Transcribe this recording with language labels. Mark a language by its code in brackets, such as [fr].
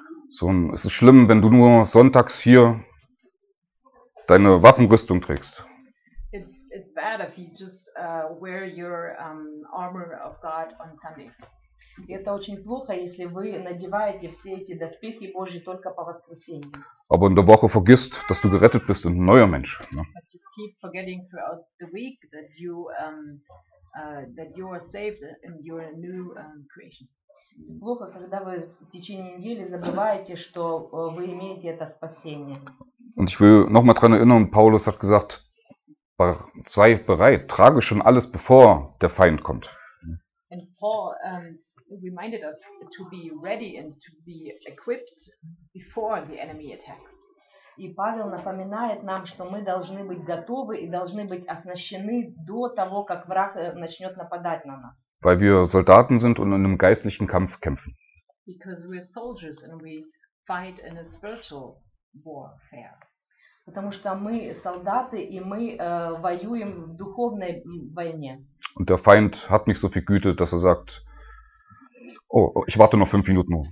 [de] So, es ist schlimm, wenn du nur sonntags hier deine Waffenrüstung trägst. [en] It's bad if you just wear your armor of God on Sunday. [ru] И это очень плохо, если вы надеваете все эти доспехи Божьи только по воскресеньям. [de] Aber in der Woche vergisst, dass du gerettet bist und ein neuer Mensch. Ne? [en] But you keep forgetting throughout the week that you that you are saved and you are a new creation. [ru] Плохо, когда вы в течение недели забываете, что вы имеете это спасение. [de] Und ich will nochmal dran erinnern, Paulus hat gesagt, sei bereit, trage schon alles, bevor der Feind kommt. [en] And Paul reminded us to be ready and to be equipped before the enemy attacks. [ru] И Павел напоминает нам, что мы должны быть готовы и должны быть оснащены до того, как враг начнет нападать на нас. [de] Weil wir Soldaten sind und in einem geistlichen Kampf kämpfen. [en] Because we are soldiers and we fight in a spiritual warfare. [ru] Потому что мы солдаты и мы воюем в духовной войне. [de] Und der Feind hat nicht so viel Güte, dass sagt: Oh, ich warte noch 5 Minuten.